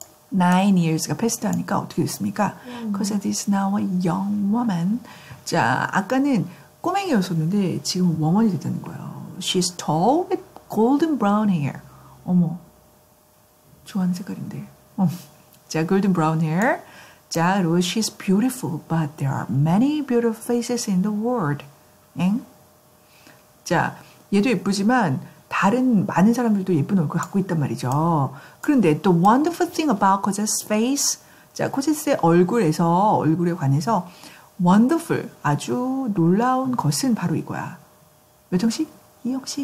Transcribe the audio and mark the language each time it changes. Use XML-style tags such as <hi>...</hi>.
<en>9 years가 패스트하니까</en> <ko>어떻게 됐습니까?</ko> <en>Cosette is now a young woman.</en> <ko>자, 아까는 꼬맹이였었는데 지금 웜원이 됐다는 거예요.</ko> <en>She's tall with golden brown hair.</en> <ko>어머, 좋아하는 색깔인데.</ko> <en>자, golden brown hair.</en> <ko>자, 그리고</ko> <en>she's beautiful, but there are many beautiful faces in the world. 엥?</en> <ko>자, 얘도 예쁘지만 다른 많은 사람들도 예쁜 얼굴 갖고 있단 말이죠. 그런데</ko> <en>the wonderful thing about Cosette's face.</en> <ko>자, 코세스의 얼굴에 관해서 wonderful, 아주 놀라운 것은 바로 이거야. 몇 형식? 2 형식.</ko>